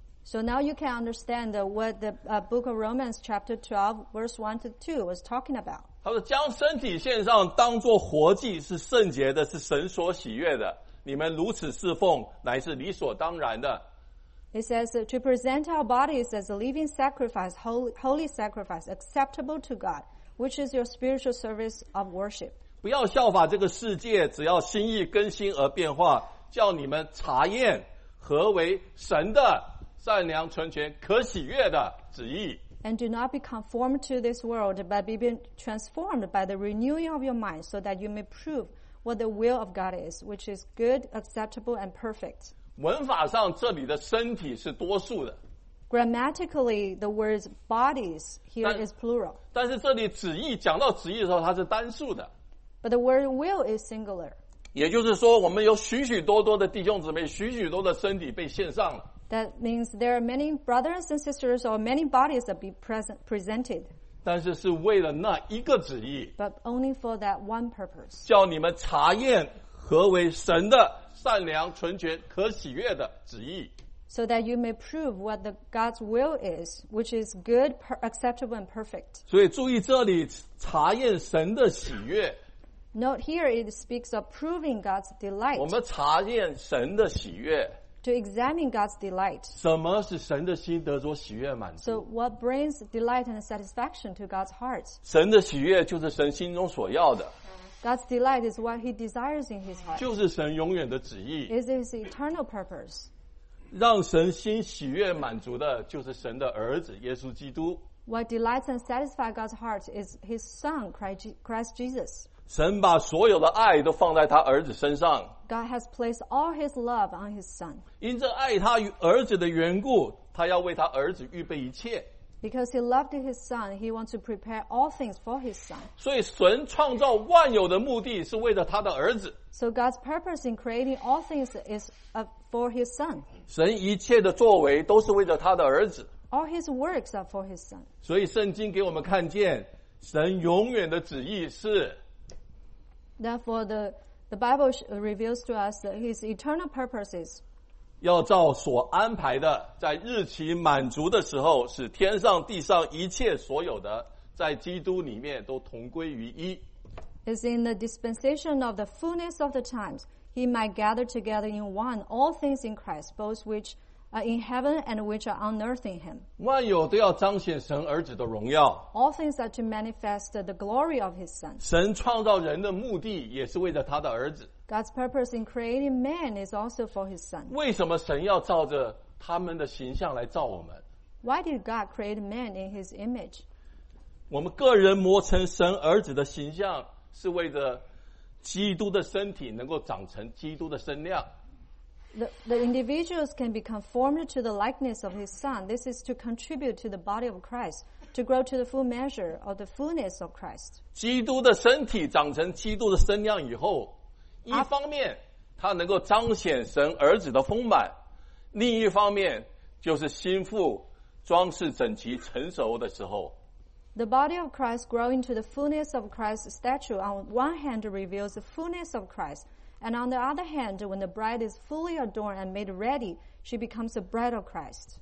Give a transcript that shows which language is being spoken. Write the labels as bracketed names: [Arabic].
[English] So now you can understand what the book of Romans chapter 12, verse 1 to 2 was talking about. [Chinese] 他说将身体献上当作活祭是圣洁的是神所喜悦的你们如此侍奉乃是理所当然的。 [English] He says, to present our bodies as a living sacrifice, holy sacrifice, acceptable to God, which is your spiritual service of worship. [Chinese] 不要效法这个世界，只要心意更新而变化，叫你们查验何为神的善良、纯全、可喜悦的旨意。 [English] And do not be conformed to this world, but be transformed by the renewing of your mind, so that you may prove what the will of God is, which is good, acceptable, and perfect. [Chinese] 文法上这里的身体是多数的 [English] Grammatically, the words bodies here is plural [Chinese] 但是这里旨意讲到旨意的时候它是单数的 [English] But the word will is singular [Chinese] 也就是说我们有许许多多的弟兄姊妹许许多的身体被献上了 [English] That means there are many brothers and sisters or many bodies that be presented [Chinese] 但是是为了那一个旨意 [English] But only for that one purpose [Chinese] 叫你们查验何为神的善良、纯全、可喜悦的旨意 [English] ，so that you may prove what the God's will is, which is good, acceptable, and perfect. [Chinese] 所以注意这里查验神的喜悦。 [English] Note here it speaks of proving God's delight. [Chinese] 我们查验神的喜悦。 [English] To examine God's delight. [Chinese] 什么使神的心得着喜悦满足 [English] ？So what brings delight and satisfaction to God's heart? [Chinese] 神的喜悦就是神心中所要的。 [English] God's delight is what he desires in his heart. [Chinese] 就是神永远的旨意。 [English] It is his eternal purpose. [Chinese] 让神心喜悦满足的就是神的儿子耶稣基督。 [English] What delights and satisfies God's heart is his son, Christ Jesus. [Chinese] 神把所有的爱都放在他儿子身上。 [English] God has placed all his love on his son. [Chinese] 因着爱他与儿子的缘故他要为他儿子预备一切。 [English] Because he loved his son, he wants to prepare all things for his son. [Chinese] 所以神创造万有的目的是为了他的儿子。 [English] So God's purpose in creating all things is for his son. [Chinese] 神一切的作为都是为了他的儿子。 [English] All his works are for his son. [Chinese] 所以圣经给我们看见神永远的旨意是。 [English] Therefore, the Bible reveals to us that his eternal purpose is [Chinese] 要照所安排的，在日期满足的时候，使天上地上一切所有的，在基督里面都同归于一。 [English] It's in the dispensation of the fullness of the times, he might gather together in one all things in Christ, both which are in heaven and which are on earth in him. [Chinese] 万有都要彰显神儿子的荣耀。 [English] All things are to manifest the glory of his son. [Chinese] 神创造人的目的也是为了他的儿子。 [English] God's purpose in creating man is also for his son. [Chinese] 为什么神要照着他们的形象来造我们？ [English] Why did God create man in his image? [Chinese] 我们个人磨成神儿子的形象是为着基督的身体能够长成基督的身量。 [English] The individuals can be conformed to the likeness of his son. This is to contribute to the body of Christ, to grow to the full measure of the fullness of Christ. [Chinese] 基督的身体长成基督的身量以后一方面他能够彰显神儿子的丰满另一方面就是心腹装饰整齐成熟的时候 [English] The body of Christ growing to the fullness of Christ's stature on one hand reveals the fullness of Christ and on the other hand when the bride is fully adorned and made ready she becomes the bride of Christ